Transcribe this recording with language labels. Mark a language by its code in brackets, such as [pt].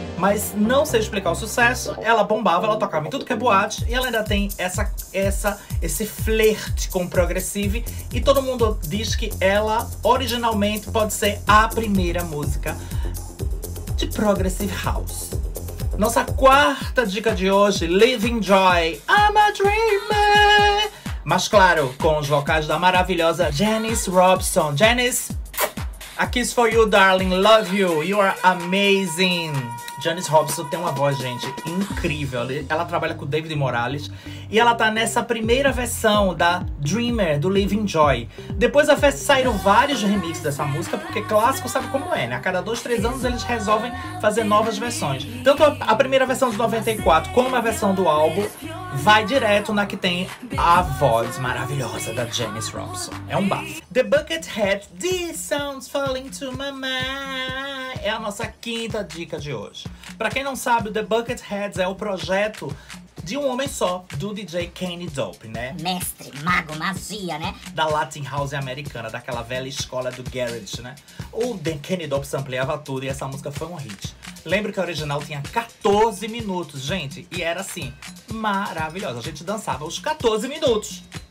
[pt] Mas não sei explicar o sucesso, ela bombava, ela tocava em tudo que é boate e ela ainda tem esse flerte com o progressive e todo mundo diz que ela, originalmente, pode ser a primeira música de Progressive House. Nossa quarta dica de hoje, Living Joy, I'm a Dreamer! Mas claro, com os vocais da maravilhosa Janis Robson. [en] Janis, a kiss for you, darling, love you, you are amazing! [pt] Janis Robson tem uma voz, gente, incrível. Ela trabalha com o David Morales. E ela tá nessa primeira versão da Dreamer, do Living Joy. Depois da festa saíram vários remixes dessa música, porque clássico sabe como é, né? A cada 2, 3 anos eles resolvem fazer novas versões. Tanto a primeira versão de 94 como a versão do álbum vai direto na que tem a voz maravilhosa da Janis Robson. É um bafo. [en] The Buckethead, this sounds falling to my mind. [pt] É a nossa quinta dica de hoje. Pra quem não sabe, o The Bucketheads é o projeto de um homem só, do DJ Kenny Dope, né? Mestre, mago, magia, né? Da Latin House americana, daquela velha escola do Garage, né? O Kenny Dope sampleava tudo e essa música foi um hit. Lembro que a original tinha 14 minutos, gente, e era assim, maravilhosa. A gente dançava os 14 minutos.